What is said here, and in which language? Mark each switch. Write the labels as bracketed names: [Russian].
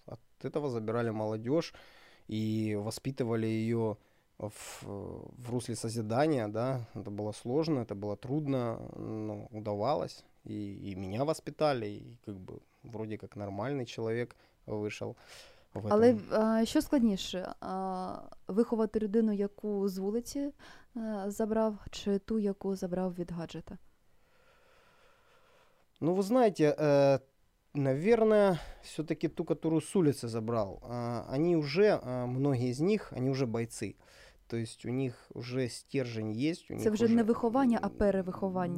[Russian] От этого забирали молодежь и воспитывали ее в русле созидания, да. Это было сложно, это было трудно, но удавалось. И меня воспитали, и как бы вроде как нормальный человек вышел. [Ukrainian] Але що складніше, виховати людину, яку з вулиці забрав, чи ту, яку забрав від гаджета? Ну, ви знаєте, [Russian] наверное, все-таки ту, которую с улицы забрал, они уже, многие из них, они уже бойцы. То есть у них уже стержень есть. Это уже не выхование, а перевыхование.